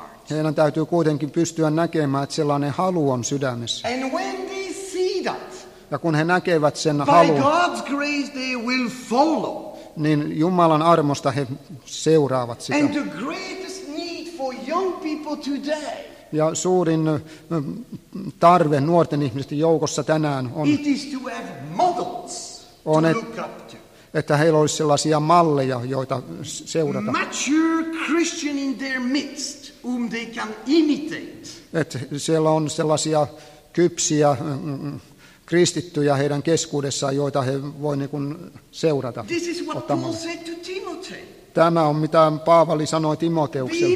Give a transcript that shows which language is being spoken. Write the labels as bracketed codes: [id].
[fi] Heidän täytyy kuitenkin pystyä näkemään, että sellainen halu on sydämessä. [en] And when they see that, [fi] ja kun he näkevät sen [en] by [fi] halun, [en] God's grace they will follow. [fi] Niin Jumalan armosta he seuraavat sitä. [en] And the greatest need for young people today, [fi] ja suurin tarve nuorten ihmisten joukossa tänään on, [en] it is to have models. On, [fi] että heillä olisi sellaisia malleja, joita seurata. [en] Mature Christian in their midst, whom they can imitate. [fi] Että siellä on sellaisia kypsiä kristittyjä heidän keskuudessaan, joita he voivat niin kuin seurata. [en] This is what Paul said to Timothy. [fi] Tämä on mitä Paavali sanoi Timoteukselle.